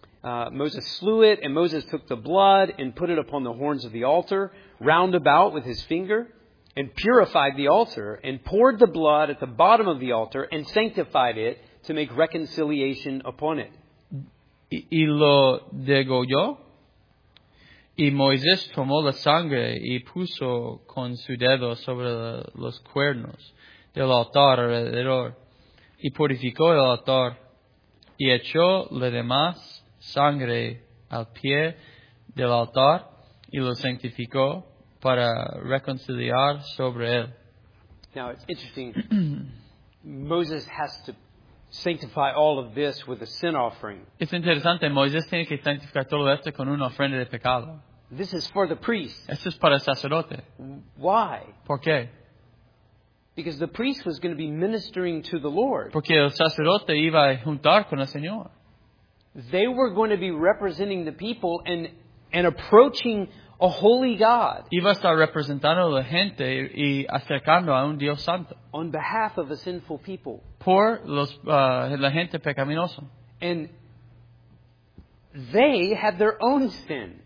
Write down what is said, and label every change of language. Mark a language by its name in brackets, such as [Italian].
[English] Moses slew it, and Moses took the blood and put it upon the horns of the altar, round about with his finger, and purified the altar, and poured the blood at the bottom of the altar, and sanctified it to make reconciliation upon it. [Spanish] Y lo degolló, y Moisés tomó la sangre y puso con su dedo sobre los cuernos del altar alrededor, y purificó el altar, y echó la demás sangre al pie del altar, y lo sanctificó para reconciliar sobre él. [English] Now it's interesting. Moses has to sanctify all of this with a sin offering. [Spanish] Es interesante. Moisés tiene que sanctificar todo esto con una ofrenda de pecado. [English] This is for the priest. [Spanish] Esto es para el sacerdote. [English] Why? [Spanish] ¿Por qué? [English] Because the priest was going to be ministering to the Lord. [Spanish] Porque el sacerdote iba a juntar con el Señor. [English] They were going to be representing the people and approaching a holy God. [Spanish] Iba a estar representando a la gente y acercando a un Dios santo. [English] On behalf of a sinful people. [Spanish] Por los, la gente pecaminosa. [English] And they had their own sin.